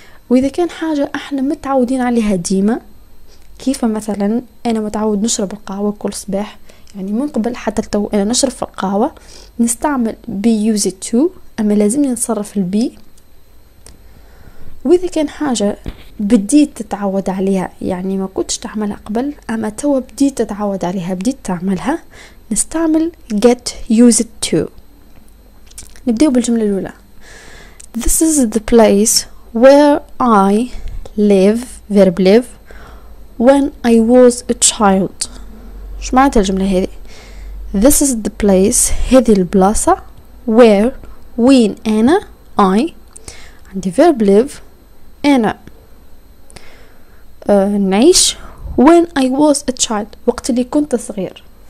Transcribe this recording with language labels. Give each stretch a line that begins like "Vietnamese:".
Arabic: وإذا كان حاجة احنا متعودين عليها ديما, كيف مثلا أنا متعود نشرب القهوة كل صباح, يعني من قبل حتى التو أنا نشرب في القهوة نستعمل be use it to, أما لازم نصرف البي. وإذا كان حاجة بديت تتعود عليها, يعني ما كنتش تعملها قبل أما توا بديت تتعود عليها بديت تعملها, نستعمل get used to. نبدأ بالجملة الأولى.
English: This is the place where I live, verb live, when I was a child.
Arabic: شو معناتها الجملة هذه؟
English: This is the place,
Arabic: هذه البلاصة, where, when أنا, I, عندي verb live, أنا نعيش,
English: when I was a child,
Arabic: وقت اللي كنت صغير.